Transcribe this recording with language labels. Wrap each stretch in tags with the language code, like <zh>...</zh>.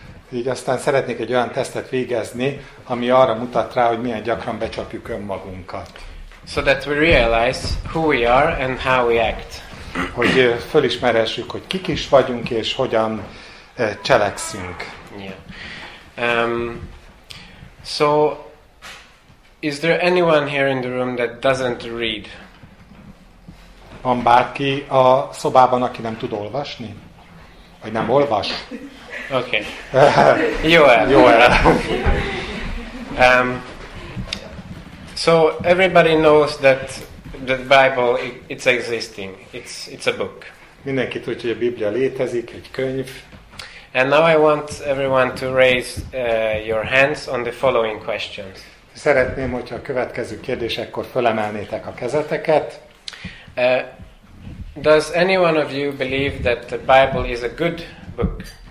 <hu>Így aztán szeretnék egy olyan tesztet végezni, ami arra mutat rá, hogy milyen gyakran becsapjuk önmagunkat.</hu> <en>So that we realize who we are and how we act.</en> <hu>Hogy fölismerhessük, hogy kik is vagyunk és hogyan cselekszünk.</hu> <en>Yeah. So is there anyone here in the room that doesn't read?</en> <hu>Van bárki a szobában, aki nem tud olvasni? Vagy nem olvas?</hu> <en>Okay. Joel. So everybody knows that the Bible it's existing. It's a book.</en> <hu>Mindenki tudja, hogy a Biblia létezik, egy könyv.</hu> <en>And now I want everyone to raise your hands on the following questions.</en> <hu>Szeretném, hogyha a következő kérdésekkor fölemelnétek a kezeteket.</hu> <en>Does anyone of you believe that the Bible is a good book?</en>